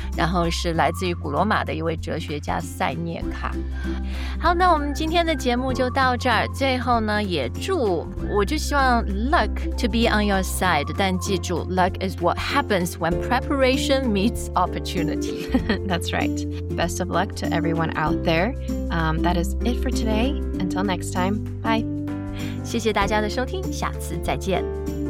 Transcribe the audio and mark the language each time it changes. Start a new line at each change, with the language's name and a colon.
Chinese: 然后是来自于古罗马的一位哲学家塞涅卡。好，那我们今天的节目就到这儿。最后呢，也祝，我就希望
English: luck to be on your side,
Chinese: 但记住
English: luck is what happens when preparation meets opportunity. That's right. Best of luck to everyone out there. That is it for today. Until next time, bye.
Chinese: 谢谢大家的收听，下次再见。